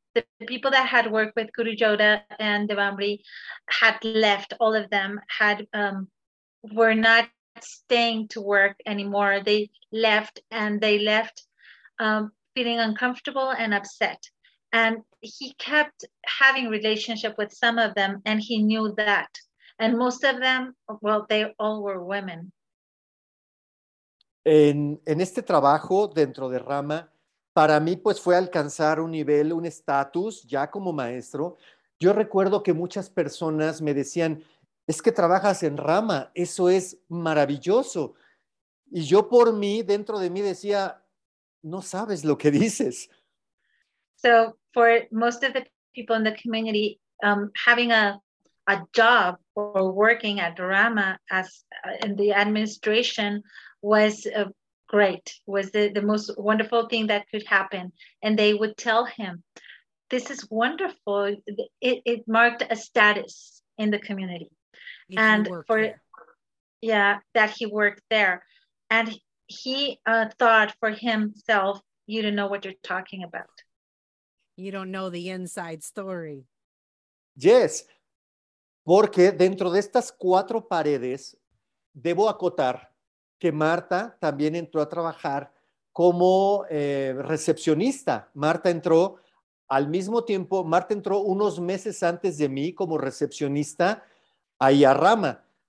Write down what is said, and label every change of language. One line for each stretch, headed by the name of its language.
English: The people that had worked with Guru Yoda and Devambri had left, all of them had were not staying to work anymore. They left, and they left feeling uncomfortable and upset. And he kept having relationship with some of them, and he knew that. And most of them, well, they all were women.
Spanish: En este trabajo dentro de Rama, para mí, pues, fue alcanzar un nivel, un estatus ya como maestro. Yo recuerdo que muchas personas me decían, es que trabajas en Rama, eso es maravilloso. Y yo por mí, dentro de mí decía, no sabes lo que dices.
English: So, for most of the people in the community, having a job or working at Rama as in the administration was great, was the most wonderful thing that could happen. And they would tell him, this is wonderful. It marked a status in the community. If and for, there. Yeah, that he worked there. And he thought for himself, you don't know what you're talking about. You don't know the inside story. Yes.
Spanish: Porque dentro de estas cuatro paredes, debo acotar que Marta también entró a trabajar como recepcionista. Marta entró al mismo tiempo, Marta entró unos meses antes de mí como recepcionista ahí a Rama.